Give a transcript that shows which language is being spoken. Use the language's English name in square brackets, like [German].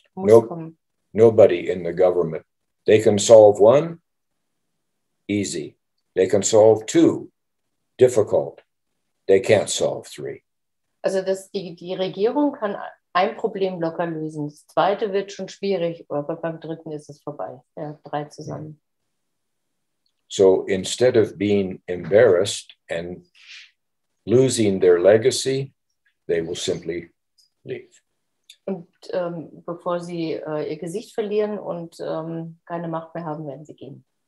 [German] Muss kommen. [English] Nobody in the government. They can solve one, easy. They can solve two, difficult. They can't solve three. [German] Also das, die Regierung kann ein Problem locker lösen. Das zweite wird schon schwierig, aber beim dritten ist es vorbei. Ja, drei zusammen. [English] So instead of being embarrassed and losing their legacy, they will simply leave. [German] Und bevor sie ihr Gesicht verlieren und keine Macht mehr haben, werden sie gehen.